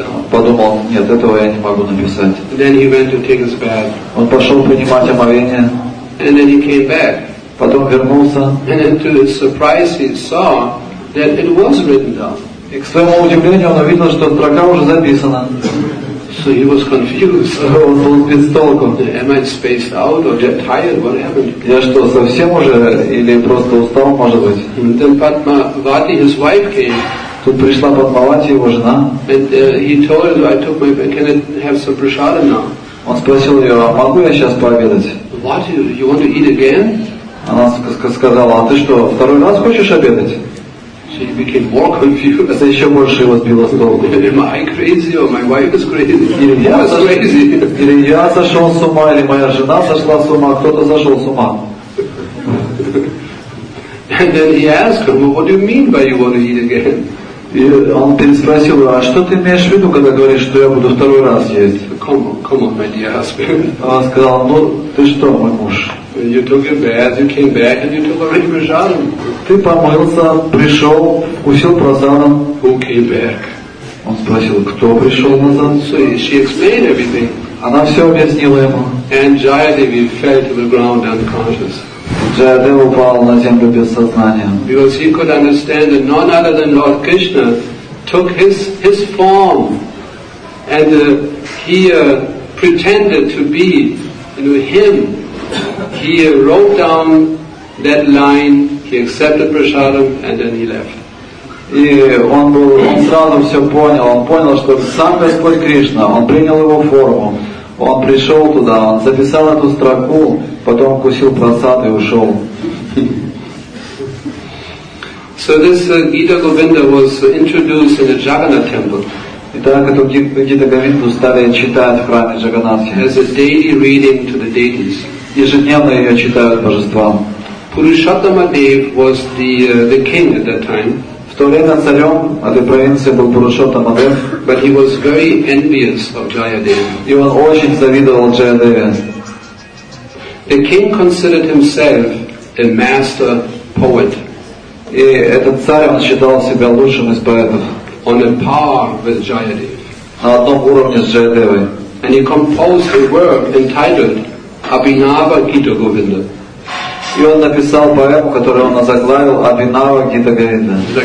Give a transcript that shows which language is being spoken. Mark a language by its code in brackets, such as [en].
[ru] Подумал, нет, этого я не могу написать. [en] Then he went to take his bath. [ru] Он пошел принимать омовение. [en] And then he came back. [ru] Потом вернулся. [en] And then to his surprise he saw that it was written down. [ru] И к своему удивлению он увидел, что строка уже записана. [en] So he was confused. [ru] Он был сбит с толку. [en] Am I spaced out or just tired? What happened? [ru] Я что, совсем уже или просто устал, может быть? [en] And then Padma Vati, his wife came. [ru] Тут пришла Падмавати, его жена. [en] And he told her, I took my, can I have some prasadam now? [ru] Он спросил ее, а могу я сейчас пообедать? [en] What, you want to eat again? [ru] Она сказала, а ты что, второй раз хочешь обедать? [en] She became more confused. [ru] Это еще больше его сбило с толку. [en] Am I crazy or my wife is crazy? [ru] Или я сошел с ума, или моя жена сошла с ума, кто-то сошел с ума. [en] And then he asked her, what do you mean by you want to eat again? [ru] И он переспросил его, а что ты имеешь в виду, когда говоришь, что я буду второй раз есть? [en] Come on, my dear husband. [ru] Она сказала, ну ты что, мой муж? [en] You took your bath, you came back, and you took a rich prasadam. [ru] Ты помылся, пришел, вкусил прасадам. [en] Who came back? [ru] Он спросил, кто пришел назад? [en] So she explained everything. [ru] Она все объяснила ему. [en] And Jayadeva fell to the ground unconscious. [ru] Джаядев упал на землю без сознания. [en] Because he could understand that none other than Lord Krishna took his form and he pretended to be, you know, him. He wrote down that line, he accepted prasadam and then he left. [ru] И он сразу все понял. Он понял, что сам Господь Кришна, он принял его форму. Он пришел туда, он записал эту строку, потом кусил прасад и ушел. [en] So this Gita Govinda was introduced in the Jagannath temple. [ru] Итак, эту Гита Говинду стали читать в храме Джаганнатхи. [en] As a daily reading to the deities. [ru] Ежедневно ее читают божествам. [en] Purushottama Dev was the king at that time. [ru] В то время царем этой провинции был Purushottama Dev. [en] But he was very envious of Jayadeva. [ru] И он очень завидовал Джаядеве. [en] The king considered himself a master poet. [ru] И этот царь, он считал себя лучшим из поэтов. [en] On a par with Jayadeva. [ru] На одном уровне с Джаядевой. [en] And he composed a work entitled Abhinava Gita Govinda. [ru] И он написал поэму, которую он озаглавил Абхинава Гита Говинда.